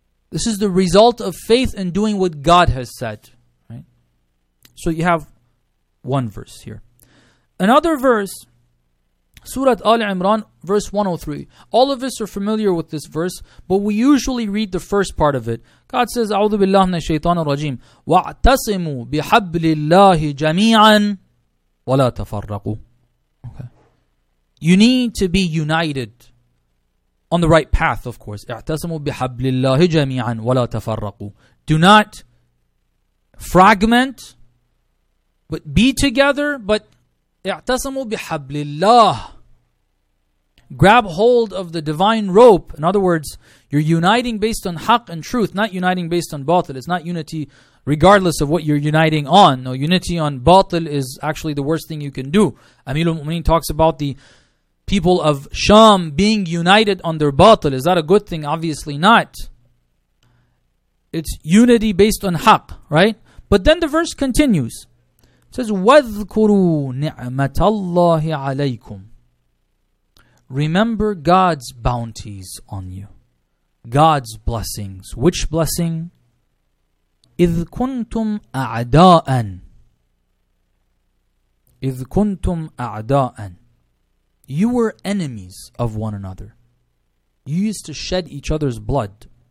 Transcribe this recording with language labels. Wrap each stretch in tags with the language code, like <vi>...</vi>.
<en>This is the result of faith and doing what God has said. Right? So you have one verse here. Another verse, Surah Al-Imran, verse 103. All of us are familiar with this verse, but we usually read the first part of it. God says,</en> <ar>أَعُوذُ بِاللَّهِ مِنَ الشَّيْطَانِ الرَّجِيمِ وَاعْتَصِمُوا بِحَبْلِ اللَّهِ جَمِيعًا وَلَا تَفَرَّقُوا.</ar> <en>Okay. You need to be united on the right path, of course.</en> <ar>اَعْتَصِمُوا بِحَبْلِ اللَّهِ جَمِيعًا وَلَا تَفَرَّقُوا.</ar> <en>Do not fragment, but be together, but</en> <ar>اعتصموا بحبل الله.</ar> <en>Grab hold of the divine rope. In other words, you're uniting based on haq and truth, not uniting based on batil. It's not unity regardless of what you're uniting on. No, unity on batil is actually the worst thing you can do. Amir al-Mu'mineen talks about the people of Sham being united on their batil. Is that a good thing? Obviously not. It's unity based on haq, right? But then the verse continues. It says,</en> <ar>وَذْكُرُوا نِعْمَةَ اللَّهِ عَلَيْكُمْ.</ar> <en>Remember God's bounties on you. God's blessings. Which blessing?</en> <ar>إِذْ كُنْتُمْ أَعْدَاءً. إِذْ كُنْتُمْ أَعْدَاءً.</ar> <en>You were enemies of one another. You used to shed each other's blood.</en>